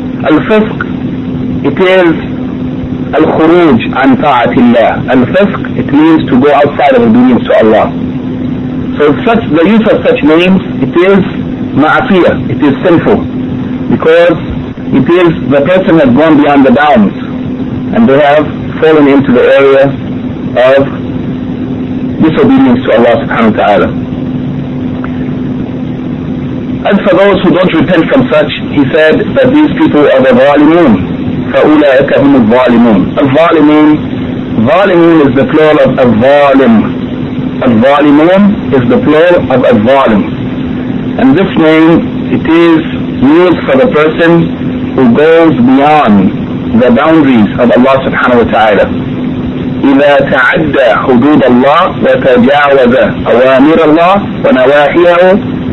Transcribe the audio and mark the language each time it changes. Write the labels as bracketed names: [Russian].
[Arabic] الفسق, [English] it is [Arabic] الخروج عن طاعة الله. [English] الفسق, it means to go outside of obedience to Allah. So such, the use of such names, it is معصية, it is sinful, because it is the person has gone beyond the bounds and they have fallen into the area of disobedience to Allah subhanahu wa ta'ala. As for those who don't repent from such, he said that these people are the ظالمون. [Arabic] فَأُولَٰئِكَ هُمُ الظَّالِمُونَ الظالمون, ظالمون [English] is the plural of [Arabic] الظالم. [English] الظالمون is the plural of الظالم. And this name, it is used for the person who goes beyond the boundaries of Allah subhanahu wa ta'ala. [Arabic] إِذَا تَعَدَّى حُدُودَ اللَّهِ وَتَجَاوَزَ أَوَامِرَ اللَّهِ وَنَوَاهِيَهُ.